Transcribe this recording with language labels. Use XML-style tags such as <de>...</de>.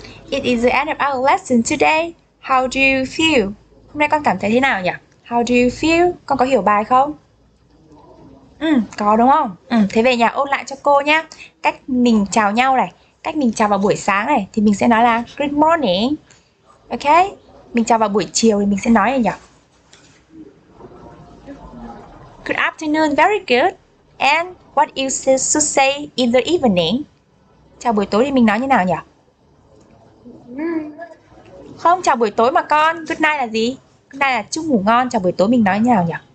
<en>It is the end of our lesson today. How do you feel?</en> <vi>Hôm nay con cảm thấy thế nào nhỉ?</vi> <en>How do you feel?</en> <vi>Con có hiểu bài không? Có đúng không? Thế về nhà ôn lại cho cô nhé. Cách mình chào nhau này, cách mình chào vào buổi sáng này thì mình sẽ nói là good morning. Ok? Mình chào vào buổi chiều thì mình sẽ nói gì nhỉ?</vi> <en>Good afternoon, very good. And what you should say in the evening?</en> <vi>Chào buổi tối thì mình nói như nào nhỉ? Không, chào buổi tối mà con. Good night là gì? Good night là chúc ngủ ngon. Chào buổi tối mình nói như nào nhỉ?</vi>